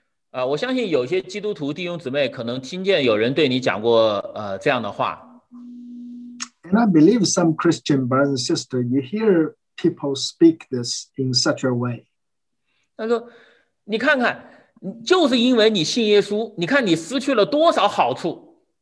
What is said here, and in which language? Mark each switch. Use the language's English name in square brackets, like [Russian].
[Chinese] 我相信有些基督徒弟兄姊妹可能听见有人对你讲过这样的话。 [English] And I believe some Christian brothers and sisters, you hear people speak this in such a way. [Chinese] 他说，你看看，就是因为你信耶稣，你看你失去了多少好处。